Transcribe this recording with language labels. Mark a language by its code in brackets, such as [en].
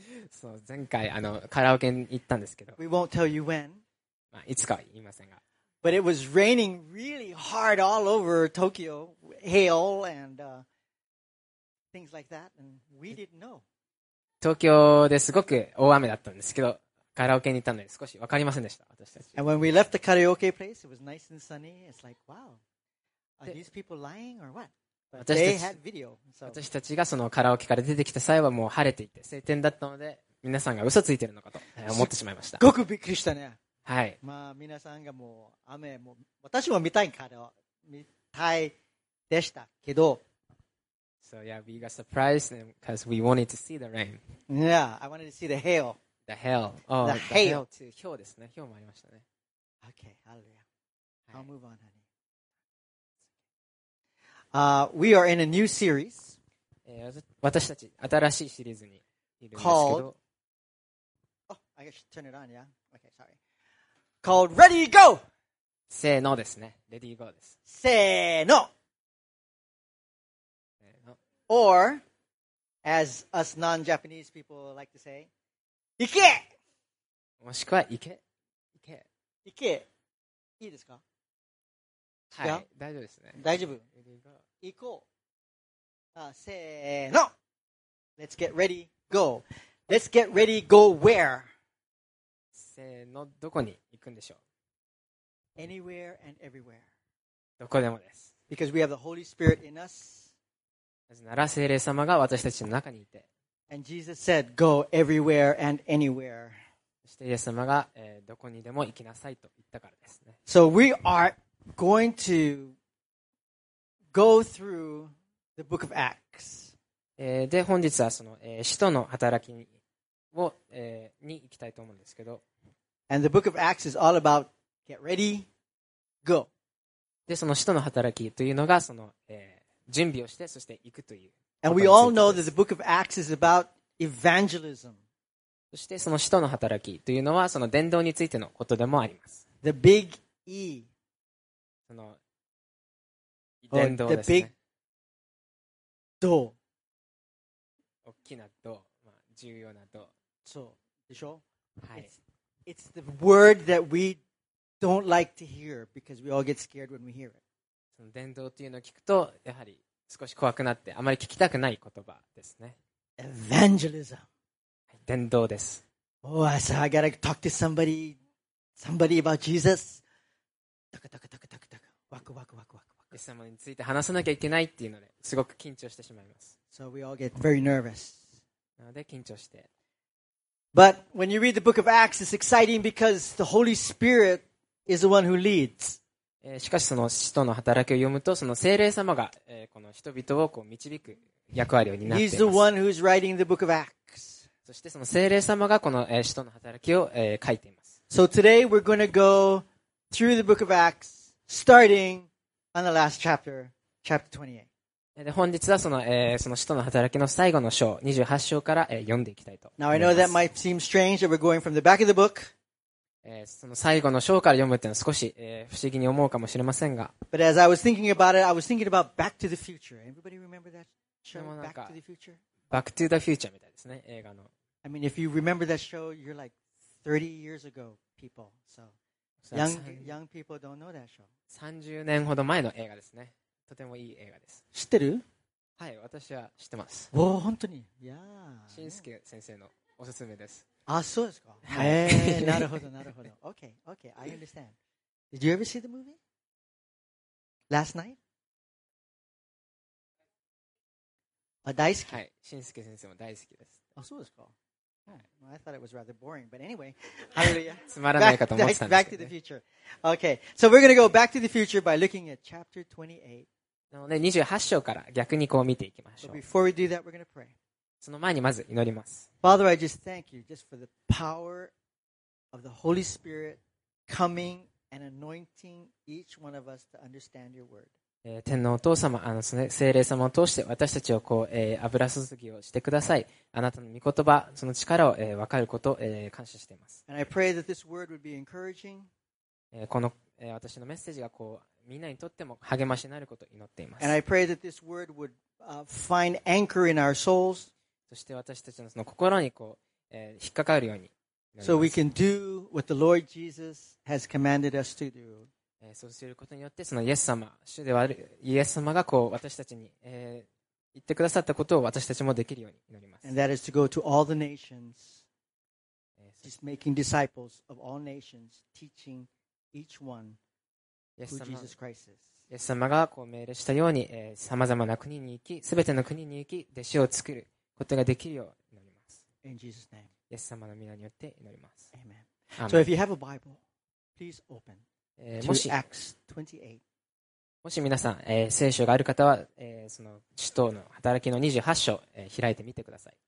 [ja] そう前回あのカラオケに行ったんですけど。 [en] We won't tell you when. [ja] まあいつかは言いませんが。 [en] But it was raining really hard all over Tokyo, hail and things like that, and we didn't know. [ja] 東京ですごく大雨だったんですけど、カラオケに行ったので少しわかりませんでした私たち。 [en] And when we left the karaoke place, it was nice and sunny. It's like, wow, are these people lying or what? [ja] 私たちがそのカラオケから出てきた際はもう晴れていて晴天だったので皆さんが嘘ついてるのかと思ってしまいましたすごくびっくりしたねはいまあ皆さんがもう雨も私も見たいカラオケ見たいでしたけど [en] So yeah, we got surprised because we wanted to see the rain Yeah, I wanted to see the hail The hail、oh, The hail too, [ja] 氷ですね氷もありましたね [en] Okay, hallelujah I'll move on, honeyWe are in a new series. [ja] 私たち新しいシリーズにいるんですけど。 [en] Oh, I guess turn it on, yeah. Okay, sorry. Called Ready Go. [ja] せーのですね。Ready Go です。せーの。 [en] Or, as us non-Japanese people like to say, [ja] 行け。もしくは行け。行け。行け。いいですか？はい。大丈夫ですね。大丈夫。行こう。せーの。 [en] Let's get ready, go. Let's get ready, go where? [ja] せーの、どこに行くんでしょう [en] ?Anywhere and everywhere. [ja] どこでもです。 [en] Because we have the Holy Spirit in us. [ja] なぜなら聖霊様が私たちの中にいて。 [en] And Jesus said, go everywhere and anywhere. [ja] そしてイエス様が、どこにでも行きなさいと言ったからですね。 [en] So we are going to... Go through the book of Acts. [ja] で本日はその、使徒の働きを、に行きたいと思うんですけど。 [en] And the book of Acts is all about get ready, go. [ja] でその使徒の働きというのがその、準備をしてそして行くという。 [en] And we all know that the book of Acts is about evangelism. [ja] そしてその使徒の働きというのはその伝道についてのことでもあります。 [en] The big E. [ja] その伝道ですね。 [en] The big door. [ja] 大きな door、まあ、重要な door。そうでしょ？はい。 [en] It's the word that we don't like to hear because we all get scared when we hear it. [ja] その伝道というのを聞くと、やはり少し怖くなって、あまり聞きたくない言葉ですね。 [en] Evangelism. [ja] 伝道です。 [en] Oh, I said, I gotta talk to somebody about Jesus. [ja] タクタクタクタクタク。ワクワクワクワク。イエス様について話さなきゃいけないっていうのですごく緊張してしまいます。 [en] So we all get very nervous. [ja] なので緊張して。 [en] But when you read the book of Acts, it's exciting because the Holy Spirit is the one who leads. [ja] しかしその使徒の働きを読むとその聖霊様がこの人々をこう導く役割を担っています [en] He's the one who's writing the book of Acts. [ja] そしてその聖霊様がこの使徒の働きを書いています。 [en] So today we're going to go through the book of Acts starting on the last chapter, chapter 28. [ja] で本日はその、その使徒の働きの最後の章28章から読んでいきたいと思います。 [en] Now I know that might seem strange that we're going from the back of the book. [ja] その最後の章から読むというのは少し、不思議に思うかもしれませんが。 [en] But as I was thinking about it, I was thinking about Back to the Future. Everybody remember that show, Back to the Future? [ja] Back to the Future みたいですね、映画の。 [en] I mean, if you remember that show, you're like 30 years ago, people. So, young people don't know that show. [ja] 30年ほど前の映画ですね。とてもいい映画です。知ってる？はい、私は知ってます。おー、本当に？いやー。しんすけ先生のおすすめです。あ、そうですか。はい。なるほど、なるほど。 [en] Okay, okay, I understand. Did you ever see the movie? Last night? [ja] あ、大好き。はい。新助先生も大好きです。あ、そうですか。はい。 [en] Well, I thought it was rather boring, but anyway. Hallelujah. [ja] つまらないかと思ってたんですけどね。 [en] Back to the future. Okay, so we're going to go back to the future by looking at chapter 28. [ja] なので、28章から逆にこう見ていきましょう。 [en] But before we do that, we're going to pray. [ja] その前にまず祈ります。 [en] Father, I just thank you just for the power of the Holy Spirit coming and anointing each one of us to understand your word. [ja] 天のお父様、あのその聖霊様を通して私たちをこう、油注ぎをしてください。あなたの御言葉、その力を、分かることを、感謝しています。 [en] And I pray that this word would be encouraging. [ja] この、私のメッセージがこうみんなにとっても励ましになることを祈っています。 [en] And I pray that this word would, find anchor in our souls. [ja] そして私たち の, その心にこう、引っかかるように。 [en] So we can do what the Lord Jesus has commanded us to do. [ja] そうすることによって、そのイエス様、主ではあるイエス様がこう私たちに、言ってくださったことを私たちもできるように祈ります。 [en] And that is to go to all the nations, just making disciples of all nations, teaching each one who Jesus Christ is. [ja] イエス様がこう命令したように、さまざまな国に行き、すべての国に行き、弟子を作る。ことができるようになります。 [en] In Jesus' name. [ja] イエス様の皆によって祈ります。 [en] Amen. Amen. So if you have a Bible, please open to Acts 28. [ja] もし皆さん、聖書がある方は、その使徒の働きの28章、開いてみてください。